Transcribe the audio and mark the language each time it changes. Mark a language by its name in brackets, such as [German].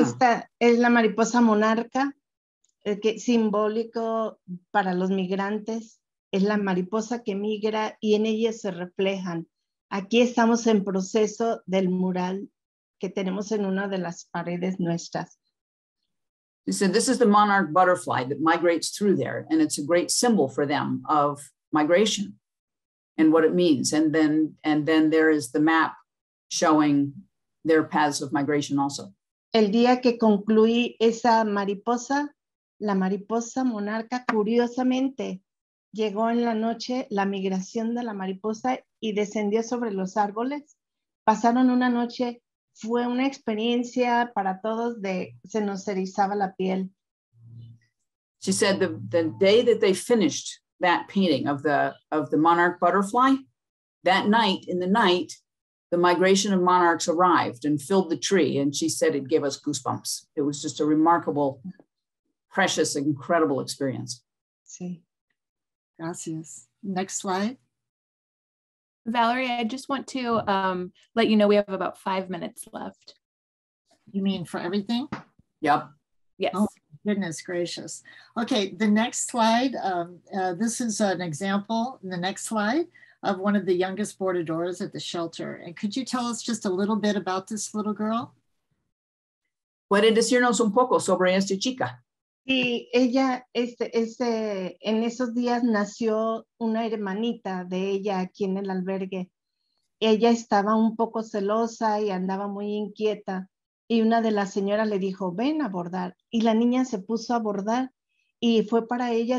[Spanish] Esta es la mariposa monarca, que es simbólico para los migrantes. Es la mariposa que migra y en ella se reflejan. Aquí estamos en proceso del mural que tenemos en una de las paredes nuestras. [English] He said, this is the monarch butterfly that migrates through there, and it's a great symbol for them of migration and what it means. And then there is the map showing their paths of migration also. [Spanish] El día que concluí esa mariposa, la mariposa monarca, curiosamente, llegó en la noche la migración de la mariposa y descendió sobre los árboles. Pasaron una noche. Fue una experiencia para todos de se nos erizaba la piel. [English] She said the day that they finished that painting of the monarch butterfly, that night in the night, the migration of monarchs arrived and filled the tree. And she said it gave us goosebumps. It was just a remarkable, precious, incredible experience. [Spanish] Sí. Gracias. [English] Next slide. Valerie, I just want to let you know we have about 5 minutes left. You mean for everything? Yep. Yes. Oh, goodness gracious. Okay, the next slide. This is an example, the next slide, of one of the youngest bordadoras at the shelter. And could you tell us just a little bit about this little girl? [Spanish] ¿Pueden decirnos un poco sobre esta chica? Sí, ella, en esos días nació una hermanita de ella aquí en el albergue. Ella estaba un poco celosa y andaba muy inquieta. Y una de las señoras le dijo, ven a bordar. Y la niña se puso a bordar y fue para ella.